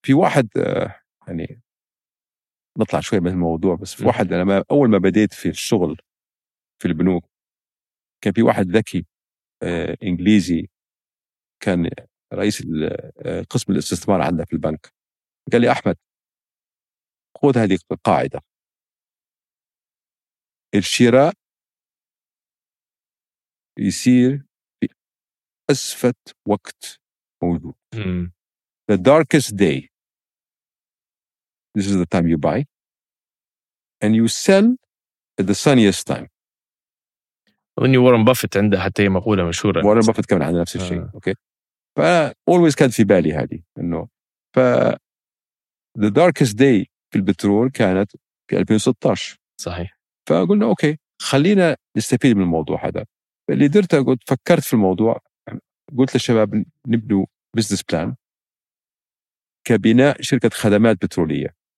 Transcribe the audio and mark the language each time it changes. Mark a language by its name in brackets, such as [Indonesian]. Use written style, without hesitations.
[Arabic] في واحد يعني نطلع شوية من الموضوع, بس في واحد أنا ما أول ما بديت في الشغل في البنوك كان في واحد ذكي إنجليزي كان رئيس قسم الاستثمار عندنا في البنك, قال لي أحمد خذ هذه القاعدة, الشراء يصير في أسفت وقت موجود. [English] The darkest day, this is the time you buy and you sell at the sunniest time. [Arabic] أظن وارن بافيت عنده حتى هي مقولة مشهورة. وارن بافيت كمان عنده نفس الشيء. أوكي. فأولويز كانت في بالي هذه إنه ف [English] the darkest day [Arabic] في البترول كانت في 2016. صحيح. فقلنا أوكي خلينا نستفيد من الموضوع هذا. اللي درته قلت فكرت في الموضوع, قلت للشباب نبنوا بزنس بلان كبناء شركة خدمات بترولية.